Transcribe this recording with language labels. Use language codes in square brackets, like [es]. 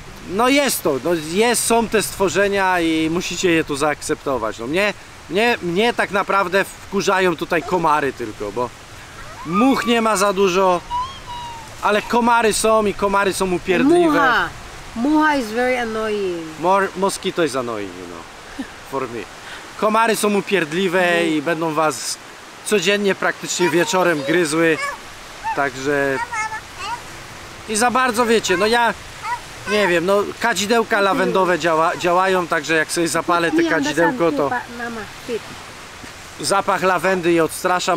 [pl] No jest to, no jest, są te stworzenia i musicie je tu zaakceptować. No mnie tak naprawdę wkurzają tutaj komary tylko, bo much nie ma za dużo, ale komary są i komary są upierdliwe. [en] Mucha is very annoying. Mosquito is annoying, you know, for me. [pl] Komary są upierdliwe i będą was codziennie praktycznie wieczorem gryzły, także... I za bardzo wiecie, no ja... Nie wiem, no kadzidełka lawendowe działają, także jak sobie zapalę te kadzidełko, to zapach lawendy je odstrasza.